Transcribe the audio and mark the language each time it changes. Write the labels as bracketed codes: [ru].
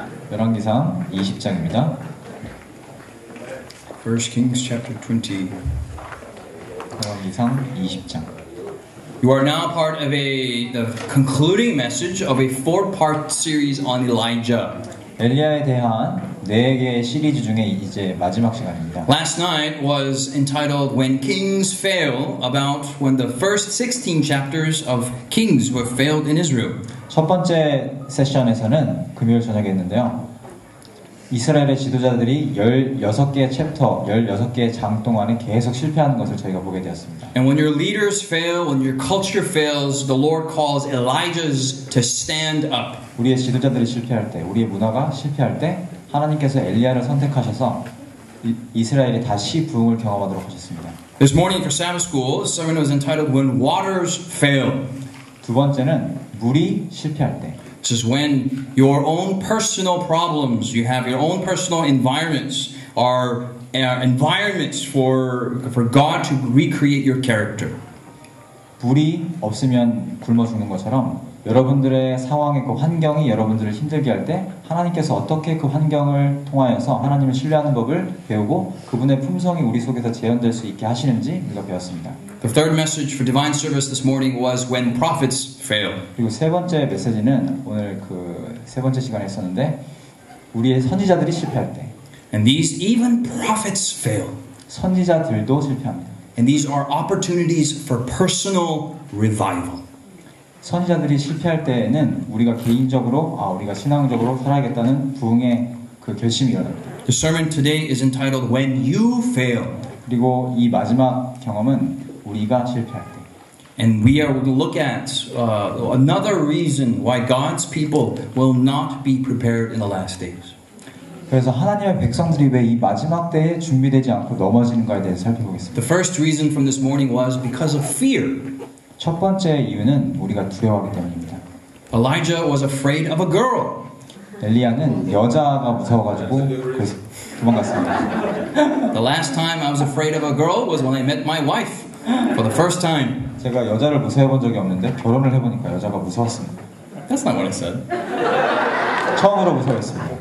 [ko] 열왕기상 20장입니다. [en] 1 Kings chapter 20. [ko] 열왕기상 20장. [en] You are now part of the concluding message of a four-part series on Elijah. [ko] 엘리야에 대한 네 개의 시리즈 중에 이제 마지막 시간입니다. [en] Last night was entitled When Kings Fail, about when the first 16 chapters of Kings were failed in Israel. [ko] 첫 번째 세션에서는 금요일 저녁에 했는데요. 이스라엘의 지도자들이 16개의 장 동안에 계속 실패하는 것을 저희가 보게 되었습니다. [en] And when your leaders fail, when your culture fails, the Lord calls Elijah's to stand up. [ko] 우리의 지도자들이 실패할 때, 우리의 문화가 실패할 때 하나님께서 엘리야를 선택하셔서 이스라엘이 다시 부흥을 경험하도록 하셨습니다. [en] This morning for Sabbath school, the sermon was entitled When Waters Fail. [ko] 두 번째는 물이 실패할 때. [en] This is when your own personal problems, you have your own personal environments are environments for God to recreate your character. [ko] 물이 없으면 굶어 죽는 것처럼 여러분들의 상황의 그 환경이 여러분들을 힘들게 할 때 하나님께서 어떻게 그 환경을 통하여서 하나님을 신뢰하는 법을 배우고 그분의 품성이 우리 속에서 재현될 수 있게 하시는지 우리가 배웠습니다. [en] The third message for divine service this morning was when prophets fail. [ko] 그리고 세 번째 메시지는 오늘 그 세 번째 시간에 했었는데 우리의 선지자들이 실패할 때. [en] And these even prophets fail. [ko] 선지자들도 실패합니다. [en] And these are opportunities for personal revival. [ko] 선지자들이 실패할 때에는 우리가 개인적으로 우리가 신앙적으로 살아야겠다는 부흥의 그 결심이 일어납니다. [en] The sermon today is entitled When You Fail. [ko] 그리고 이 마지막 경험은 우리가 실패할 때. [en] And we are going to look at another reason why God's people will not be prepared in the last days. [ko] 그래서 하나님의 백성들이 왜 이 마지막 때에 준비되지 않고 넘어지는가에 대해 살펴보겠습니다. [en] The first reason from this morning was because of fear. [ko] 첫 번째 이유는 우리가 두려워하기 때문입니다. [en] Elijah was afraid of a girl. [ko] 엘리야는 여자가 무서워가지고 도망갔습니다. [en] The last time I was afraid of a girl was when I met my wife for the first time. [ko] 제가 여자를 무서워해본 적이 없는데 결혼을 해보니까 여자가 무서웠습니다. [en] That's not what I said. [ko] 처음으로 무서웠습니다.